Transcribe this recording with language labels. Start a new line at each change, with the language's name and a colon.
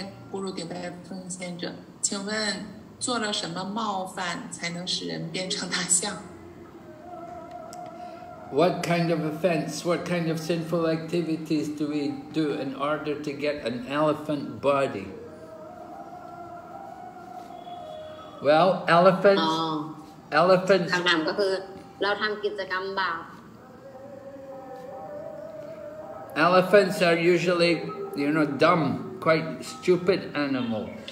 Chinese: Guru 顶拜奉献者，请问做了什么冒犯才能使人变成大象
English: ？What kind of offense? What kind of sinful activities do we do in order to get an elephant body? Well, elephants. Elephants.
Thai: คำถามก็คือเราทำกิจกรรมบาป
English: Elephants are usually, you know, dumb. Quite stupid animal.